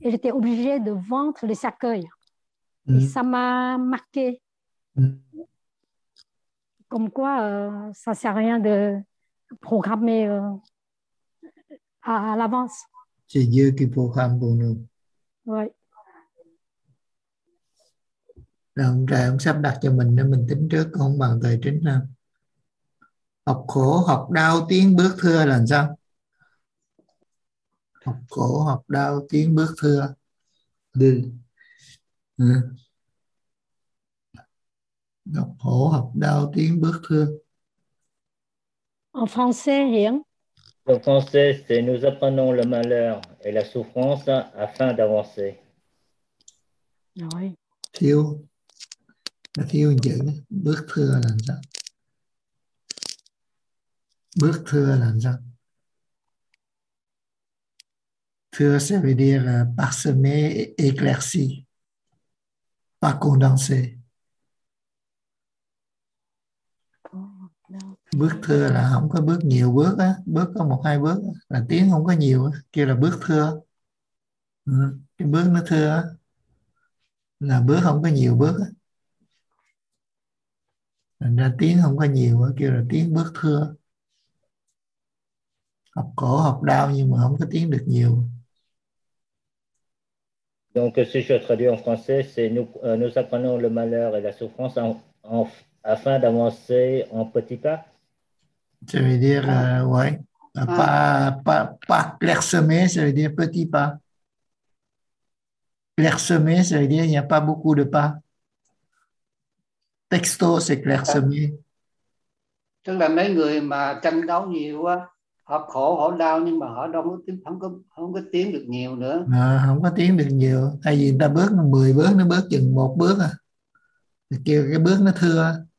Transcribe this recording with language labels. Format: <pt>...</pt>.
<fr>Elle était obligée de vendre le cercueil. Mm-hmm. Et ça m'a marqué. Mm-hmm. Comme quoi, ça ne sert à rien de programmer à l'avance. C'est Dieu qui programme pour nous. Oui.</fr> <vi>Là ông trời ông sắp đặt cho mình nên mình tính trước, không bằng thời tính nào. Học khổ, học đau, tiến bước thưa là sao? Học khổ, học đau, tiến bước thưa. Đi. Ừ. Học khổ, học đau, tiến bước thưa.</vi> <fr>En français, hiện. En français, c'est nous apprenons le malheur et la souffrance afin d'avancer. Oui.</fr> <vi>Thiếu. Là thiếu một chữ, bước thưa là sao? Bước thưa là sao?</vi> <fr>Thưa ça veut dire parsemé, éclairci, pas condensé.</fr> <vi>Bước thưa là không có bước nhiều bước á, bước có một hai bước là tiếng không có nhiều á, kêu là bước thưa. Cái bước nó thưa á, là bước không có nhiều bước á. Thành ra tiếng không có nhiều, kêu là tiếng bước thưa. Học cổ, học đau nhưng mà không có tiếng được nhiều.</vi> <fr>Donc, si je traduis en français, c'est nous apprenons le malheur et la souffrance afin d'avancer en petit pas. Ça veut dire, ouais, pas clairsemé, ça veut dire petit pas. Clairsemé, ça veut dire il n'y a pas beaucoup de pas. Texto, c'est clairsemé.</fr> <vi>Tức là mấy người mà tranh đấu nhiều quá, họ khổ, họ đau nhưng mà họ đâu có tiếng, không có tiếng được nhiều nữa. À, không có tiếng được nhiều. Tại vì người ta bước 10 bước, nó bước chừng 1 bước à. Thì kêu cái bước nó thưa.</vi>